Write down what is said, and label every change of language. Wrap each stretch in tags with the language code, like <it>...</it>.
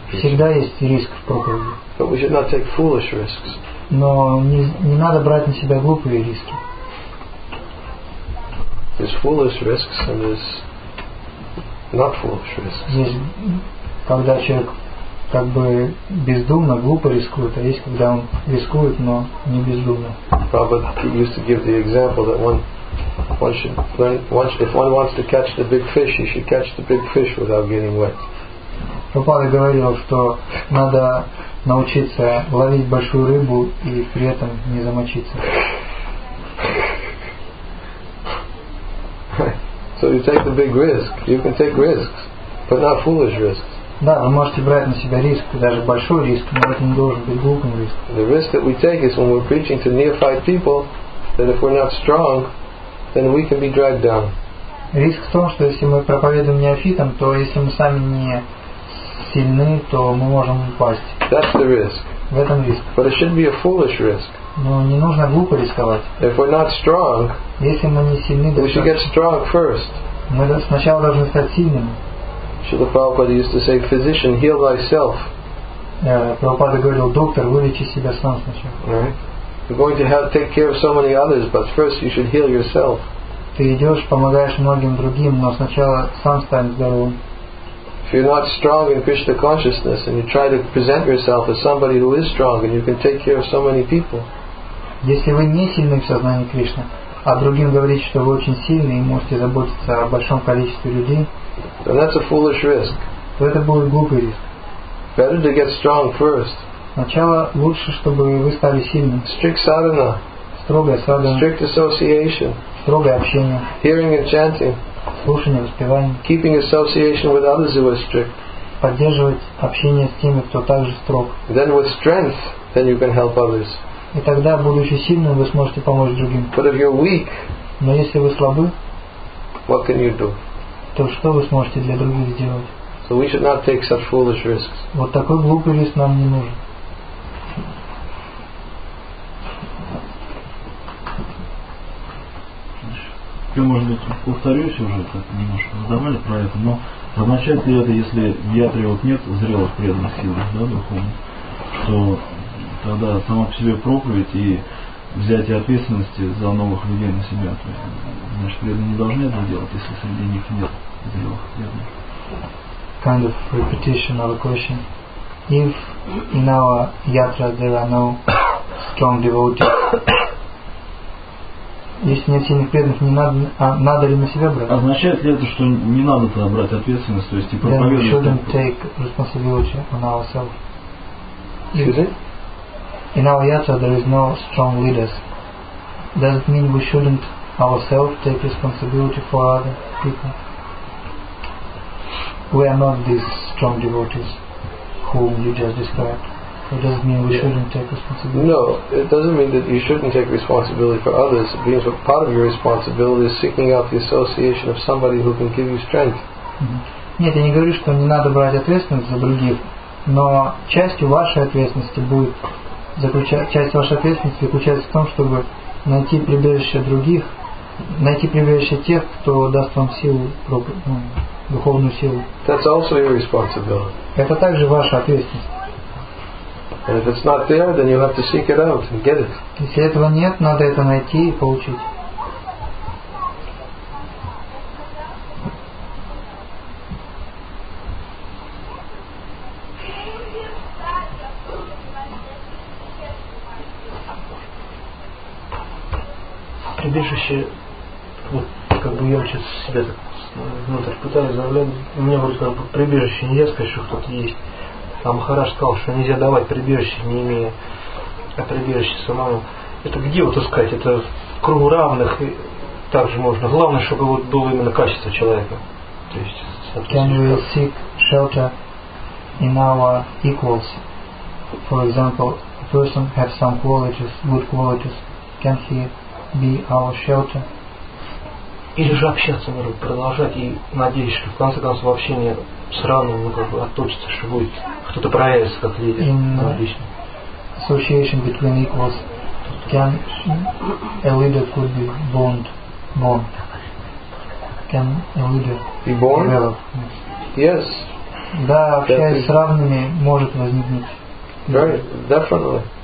<ru>Всегда есть риск в проповеди.</ru> <en>But we should not take foolish risks.</en> <ru>Но не надо брать на себя глупые риски.</ru> <en>There's foolish risks and there's not foolish risks.</en> <ru>Есть, когда человек как бы бездумно, глупо рискует, а есть, когда он рискует, но не бездумно.</ru> <en>Prabhupada used to give the example that if one wants to catch the big fish, he should catch the big fish without getting wet.</en> <ru>Прабхупада говорил, что надо научиться ловить большую рыбу и при этом не замочиться.</ru> <en>So you take the big risk. You can take risks, but not foolish risks.</en> <ru>Да, вы можете брать на себя риск, даже большой риск, но это не должен быть глупым риском.</ru> <en>The risk that we take is when we're preaching to neophyte people, that if we're not strong, then we can be dragged down.</en> <ru>Риск в том, что если мы проповедуем неофитам, то если мы сами не сильны, то мы можем упасть.</ru> <en>That's the risk.</en> <ru>В этом риск.</ru> <en>But it shouldn't be a foolish risk.</en> <ru>Но не нужно глупо рисковать.</ru> <en>If we're not strong,</en> <ru>если мы не сильны,</ru> <en>we should get strong first.</en> <ru>Мы сначала должны стать сильными.</ru> <en>Шрила Прабхупада used to say, physician, heal thyself.</en> <ru>Прабхупада говорил, доктор, вылечи себя сам сначала.</ru> <en>Right? You're going to have to take care of so many others, but first you should heal yourself.</en> <ru>Ты идешь, помогаешь многим другим, но сначала сам стань здоровым.</ru> <en>If you're not strong in Krishna consciousness and you try to present yourself as somebody who is strong and you can take care of so many people.</en> <ru>Если вы не сильны в сознании Кришны, а другим говорите, что вы очень сильны и можете заботиться о большом количестве людей,</ru> <en>then that's a foolish risk.</en> <ru>То это будет глупый риск.</ru> <en>Better to get strong first.</en> <ru>Сначала лучше, чтобы вы стали сильным.</ru> <en>Strict sadhana.</en> <ru>Строгая садхана.</ru> <en>Strict association.</en> <ru>Строгое общение.</ru> <en>Hearing and chanting.</en> <ru>Слушание, воспевание.</ru> <en>Keeping association with others who are strict.</en> <ru>Поддерживать общение с теми, кто также строг.</ru> <en>Then with strength, then you can help others.</en> <ru>И тогда, будучи сильным, вы сможете помочь другим.</ru> <en>But if you're weak,</en> <ru>но если вы слабы,</ru> <en>what can you do?</en> <ru>То что вы сможете для других сделать?</ru> <en>So we should not take such foolish risks.</en> <ru>Вот такой глупый риск нам не нужен. Может быть, повторюсь уже, как немножко задавали про это, но означает ли это, если в ятре вот нет зрелых преданных сил, да, духовных, что тогда сама по себе проповедь и взятие ответственности за новых людей на себя, то есть, значит, преданные не должны это делать, если среди них нет зрелых преданных?</ru> <en>Kind of repetition of a question. If in our yatra there are no strong devotees,</en> <ru>если нет сильных преданных, не надо, надо ли на себя брать? Означает ли это, что не надо тогда брать ответственность, то есть и проповедовать?</ru> <en>Then we shouldn't take responsibility on ourselves. Excuse me? In our yatra there is no strong leaders. Does it mean we shouldn't ourselves take responsibility for other people? We are not these strong devotees whom you just described. It doesn't mean we shouldn't take responsibility. No, it doesn't mean that you shouldn't take responsibility for others. It means that part of your responsibility is seeking out the association of somebody who can give you strength. Mm-hmm.</en> <ru>Нет, я не говорю, что не надо брать ответственность за других, но часть вашей ответственности заключается в том, чтобы найти прибежище других, найти прибежище тех, кто даст вам силу, духовную силу.</ru> <en>That's also your responsibility.</en> <ru>Это также ваша ответственность.</ru> <en>And if it's not there, then you have to seek it out and get it.</en> <ru>Если этого нет, надо это найти и получить. Прибежище, как бы я сейчас себя так внутрь пытаюсь заявлять. У меня вроде как бы прибежище нельзя сказать, что кто-то есть. А Махараш сказал, что нельзя давать прибежище, не имея прибежище самому. Это где вот искать? Это в кругу равных также можно. Главное, чтобы вот было именно качество человека. То есть,</ru> <en>can we seek shelter in our equals? For example, a person has some qualities, good qualities. Can he be our shelter?</en> <ru>Или же общаться, может, продолжать и надеюсь, что в конце концов общение с равным, ну, как бы отточится, что будет кто-то проявится как лидер. In отлично.</ru> <en>Association between equals, can a leader could be bond, bond? Can a leader be born? Develop? Yes.</en> <ru>Да, общаясь</ru> <en>definitely.</en> <ru>С равными может возникнуть.</ru> <en>Very definitely.</en>